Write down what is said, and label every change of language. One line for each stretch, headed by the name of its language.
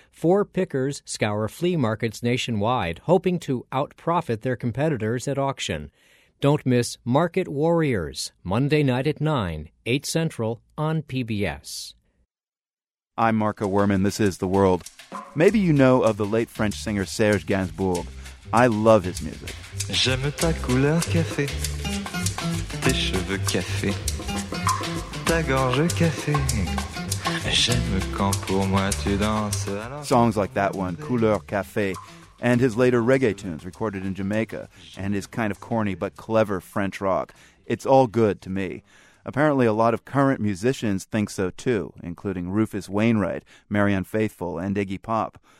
English: Four pickers scour flea markets nationwide, hoping to out-profit their competitors at auction. Don't miss Market Warriors, Monday night at 9, 8 Central, on PBS. I'm Marco Werman. This is The World. Maybe you know of the late French singer Serge Gainsbourg. I love his music.
French: J'aime ta couleur café, tes cheveux café, ta gorge café. J'aime quand pour moi tu danses.
English: Songs like that one, Couleur Café, and his later reggae tunes recorded in Jamaica, and his kind of corny but clever French rock. It's all good to me. Apparently a lot of current musicians think so too, including Rufus Wainwright, Marianne Faithfull, and Iggy Pop.